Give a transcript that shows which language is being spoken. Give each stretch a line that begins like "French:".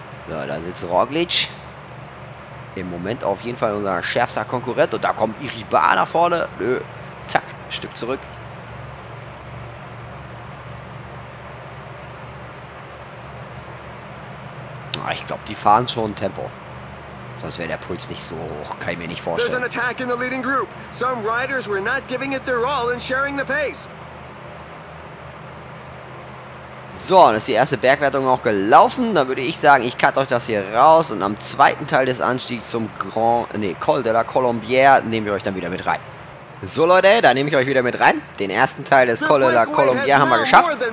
German: Ja, da sitzt Roglic. Im Moment auf jeden Fall unser schärfster Konkurrent. Und da kommt Iribar nach vorne. Nö. Zack. Stück zurück. Ah, ich glaube, die fahren schon Tempo. Sonst wäre der Puls nicht so hoch. Kann ich mir nicht vorstellen.
English: There's an attack in the leading group. Some riders were not giving it their all in sharing the pace.
German: So, dann ist die erste Bergwertung auch gelaufen. Dann würde ich sagen, ich cut euch das hier raus und am zweiten Teil des Anstiegs zum Col de la Colombière nehmen wir euch dann wieder mit rein. So Leute, da nehme ich euch wieder mit rein. Den ersten Teil des Col de la Colombière haben wir geschafft.